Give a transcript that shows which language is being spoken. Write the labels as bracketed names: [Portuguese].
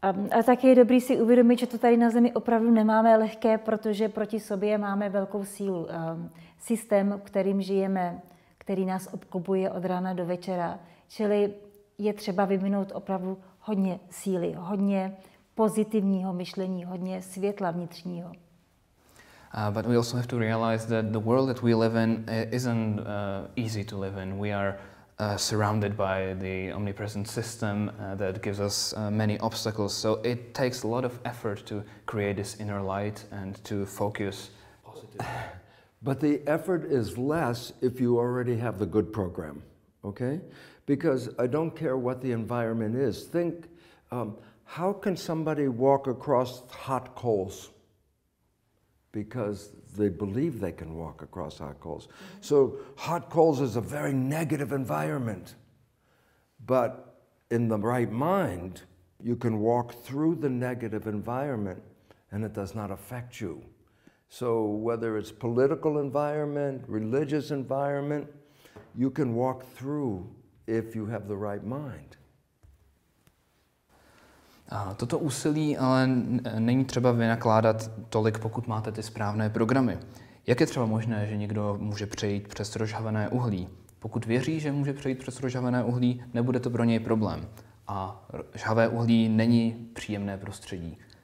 [Czech] A taky je dobrý si uvědomit, že to tady na Zemi opravdu nemáme lehké, protože proti sobě máme velkou sílu. Systém, kterým žijeme, který nás obklopuje od rána do večera. Čili je třeba vyvinout opravdu hodně síly, hodně pozitivního myšlení, hodně světla vnitřního. [English] But we also have to realize that the world that we live in isn't easy to live in. We are surrounded by the omnipresent system that gives us many obstacles. So it takes a lot of effort to create this inner light and to focus positive. But the effort is less if you already have the good program, okay? Because I don't care what the environment is. Think, how can somebody walk across hot coals? Because they believe they can walk across hot coals. So hot coals is a very negative environment. But in the right mind, you can walk through the negative environment and it does not affect you. So whether it's political environment, religious environment, you can walk through if you have the right mind. [Czech] Toto úsilí ale není třeba vynakládat tolik, pokud máte ty správné programy. Jak je třeba možné, že někdo může přejít přes rozžhavené uhlí? Pokud věří, že může přejít přes rozžhavené uhlí, nebude to pro něj problém. A žhavé uhlí není příjemné prostředí.